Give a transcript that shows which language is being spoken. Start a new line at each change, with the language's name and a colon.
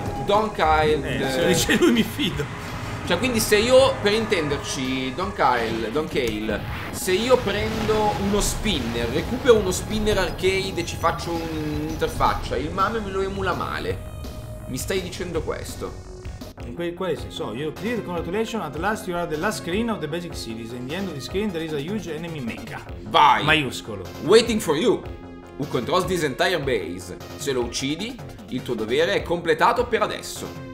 Italian: Don Kyle. Se lo dice lui mi fido. Cioè, quindi se io, per intenderci, Don Kyle, se io prendo uno spinner, recupero uno spinner arcade e ci faccio un'interfaccia, il MAME me lo emula male. Mi stai dicendo questo? In quale senso?
English: You cleared congratulations, at last you are the last screen of the basic series. In the end of the screen there is a huge enemy mecha.
Italian: Vai! Maiuscolo.
English: Waiting for you, who controls this entire base.
Italian: Se lo uccidi, il tuo dovere è completato per adesso.